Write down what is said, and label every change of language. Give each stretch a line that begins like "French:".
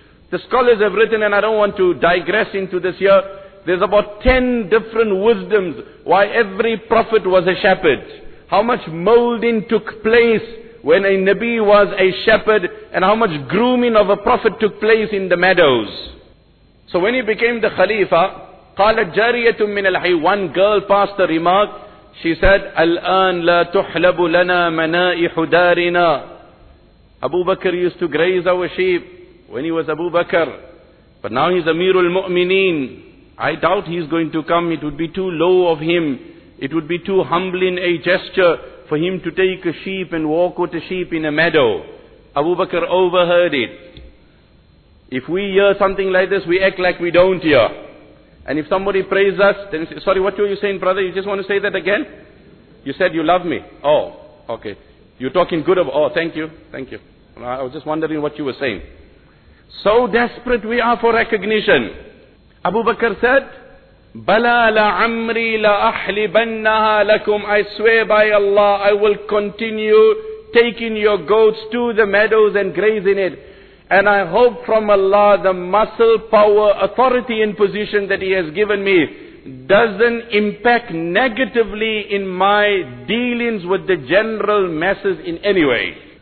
English: The scholars have written, and I don't want to digress into this here, there's about 10 different wisdoms why every prophet was a shepherd. How much molding took place when a Nabi was a shepherd, and how much grooming of a prophet took place in the meadows. So when he became the Khalifa,
Arabic: قَالَتْ جَارِيَةٌ مِّنَ الْحَيِّ.
English: One girl passed the remark. She said,
Arabic: الآن لا تحلب لنا منائح دارنا.
English: Abu Bakr used to graze our sheep when he was Abu Bakr. But now he's Amirul Mu'mineen. I doubt he's going to come. It would be too low of him. It would be too humbling a gesture for him to take a sheep and walk with a sheep in a meadow. Abu Bakr overheard it. If we hear something like this, we act like we don't hear. And if somebody prays us, then say, sorry, what were you saying, brother? You just want to say that again? You said you love me. Oh, okay. You're talking good of, oh, thank you, thank you. I was just wondering what you were saying. So desperate we are for recognition. Abu Bakr said,
Arabic: بَلَا لَعَمْرِي لَأَحْلِبَنَّهَا لَكُمْ.
English: I swear by Allah, I will continue taking your goats to the meadows and grazing it. And I hope from Allah the muscle, power, authority and position that He has given me doesn't impact negatively in my dealings with the general masses in any way.